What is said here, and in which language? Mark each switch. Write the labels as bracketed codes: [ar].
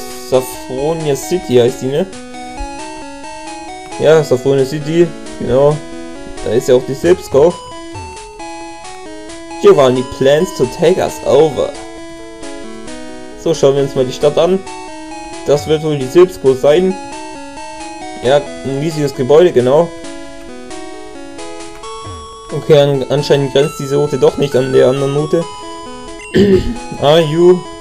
[de] Saffronia City heißt die, ne? Ja, Saffronia City, genau. Da ist ja auch die Silpsko. [en] Giovanni plans to take us over. [de] So, schauen wir uns mal die Stadt an. Das wird wohl die Silpsko sein. Ja, ein riesiges Gebäude, genau. Okay, anscheinend grenzt diese Route doch nicht an der anderen Route. [en] Are you?